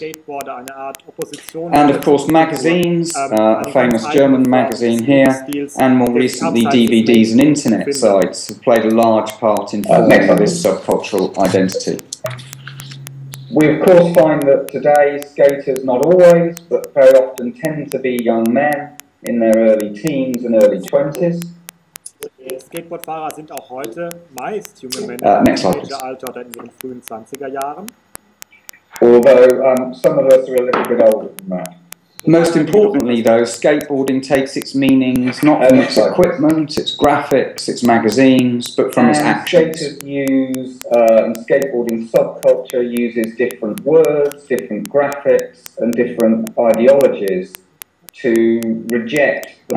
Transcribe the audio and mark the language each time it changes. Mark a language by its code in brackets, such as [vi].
[en] And of course, magazines, a famous German magazine here, and more recently DVDs and internet sites have played a large part in forming this subcultural identity. We of course find that today skaters, not always, but very often tend to be young men in their early teens and early 20s. [de] Skateboardfahrer sind auch heute meist junge Männer in ihrem Alter oder in ihren frühen 20er Jahren. [en] Although some of us are a little bit older than that. Most importantly though, skateboarding takes its meanings not from its equipment, its graphics, its magazines, but from its actions. Skateboarding subculture uses different words, different graphics and different ideologies to reject the